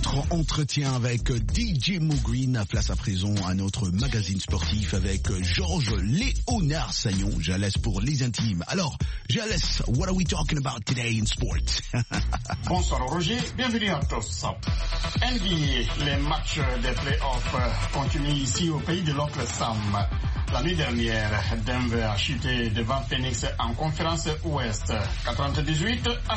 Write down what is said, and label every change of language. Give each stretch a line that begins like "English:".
French: Entretien avec DJ Mo Green, place à présent à notre magazine sportif avec Georges Léonard Sagnon. Jalès pour les intimes.
English: Alors, Jalès, what are we talking about today in sports?
French: Bonsoir Roger, bienvenue à tous. NBA, les matchs des playoffs continuent ici au pays de l'Oncle Sam. La nuit dernière, Denver a chuté devant Phoenix en conférence Ouest, 98-123.